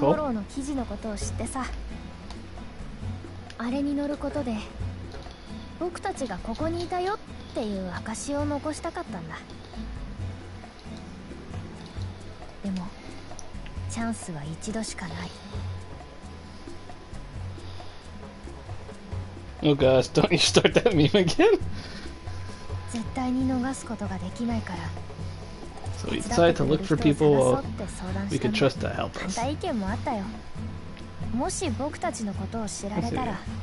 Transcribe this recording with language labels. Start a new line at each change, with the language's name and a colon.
Japanese: トモローの記事のことを知ってさ、あれに乗ることで僕たちがここにいたよっていう証を残したかったんだ。でもチャンスは一度しかない。
English: Oh gosh, don't you start that meme again?
Japanese: 絶対に逃すことができないから。
English: So we decided to look for people while we could trust to help us.
Japanese: 反対意見もあったよ。もし僕たちのことを知られたら。